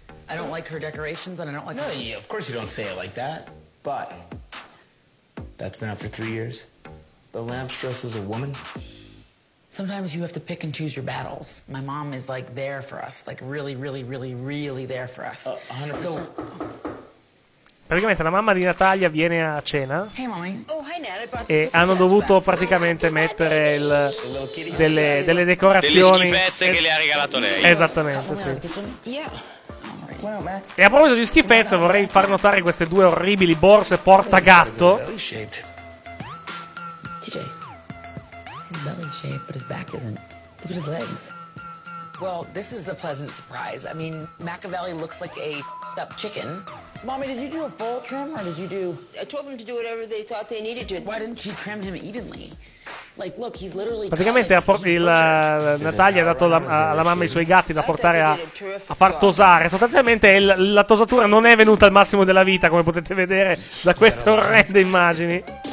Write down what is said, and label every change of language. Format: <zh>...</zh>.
<en>I don't like her decorations, and I don't like. No, yeah, of course you don't say it like that, but that's been up for 3 years. The lamp stresses a woman. Sometimes you have to pick and choose your battles. My mom is like there for us, like really, really, really, really there for us. 100%.</en> <it>Praticamente la mamma di Natalia viene a cena.</it> <en>Hey, mommy. Oh, hi, Nat.</en> <it>E hanno dovuto praticamente mettere delle decorazioni. Delle schifezze che le ha regalato lei. Esattamente, sì.</it> <en>Yeah.</en> <it>E a proposito di schifezze, vorrei far notare queste due orribili borse porta gatto.</it> <en>Belly shape, but his back isn't. Look at his legs. Well, this is a pleasant surprise. I mean, Machiavelli looks like a f***ed up chicken. Mommy, did you do a full trim, or did you do... I told them to do whatever they thought they needed to. Why didn't you trim him evenly? Like, look, he's literally...</en> <it>Praticamente Natalia ha dato alla mamma i suoi gatti da portare a far tosare. Sostanzialmente la tosatura non è venuta al massimo della vita, come potete vedere da queste orrende immagini.</it>